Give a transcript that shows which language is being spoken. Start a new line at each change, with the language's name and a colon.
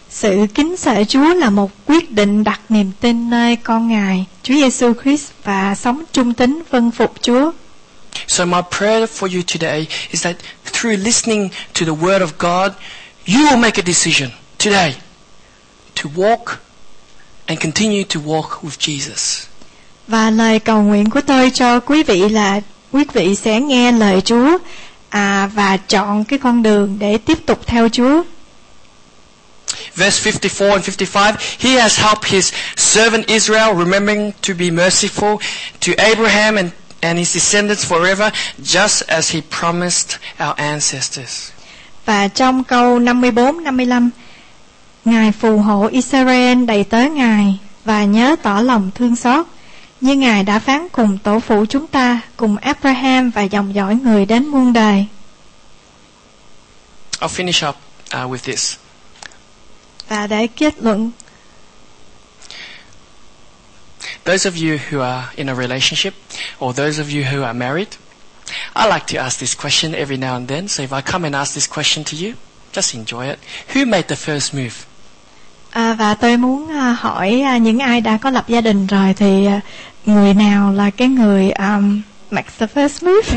Vietnamese: Sự kính sợ Chúa là một quyết định đặt niềm tin nơi con Ngài, Chúa Giêsu Christ và sống trung tín vâng phục Chúa.
English: So my prayer for you today is that through listening to the word of God, you will make a decision today to walk and continue to walk with Jesus.
Vietnamese: Và lời cầu nguyện của tôi cho quý vị là quý vị sẽ nghe lời Chúa và chọn cái con đường để tiếp tục theo Chúa.
English: Verse 54 and 55, He has helped His servant Israel, remembering to be merciful to Abraham and his descendants forever, just as He promised our ancestors.
Vietnamese: Và trong câu 54-55, Ngài phù hộ Israel đầy tớ Ngài và nhớ tỏ lòng thương xót, như Ngài đã phán cùng tổ phụ chúng ta, cùng Abraham và dòng dõi người đến muôn đời.
English: I'll finish up with this.
Vietnamese: Và để kết luận,
English: those of you who are in a relationship or those of you who are married, I like to ask this question every now and then. So if I come and ask this question to you, just enjoy it. Who made the first move?
Vietnamese: Và tôi muốn hỏi những ai đã có lập gia đình rồi thì người nào là cái người
English: makes the first move?